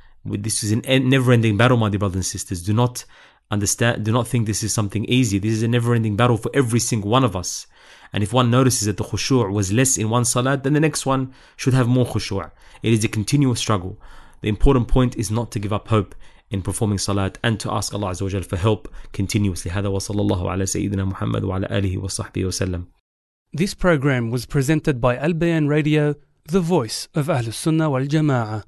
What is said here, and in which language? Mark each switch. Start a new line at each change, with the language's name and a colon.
English: This is a never-ending battle, my dear brothers and sisters. Do not think this is something easy. This is a never-ending battle for every single one of us. And if one notices that the khushu' was less in one salat, then the next one should have more khushu'. It is a continuous struggle. The important point is not to give up hope in performing salat and to ask Allah Azza wa Jalla for help continuously.
Arabic: هذا وصلى الله على سيدنا محمد وعلى آله وصحبه وسلم.
English: This program was presented by Al Bayan Radio, the voice of Ahlus Sunnah wal Jama'ah.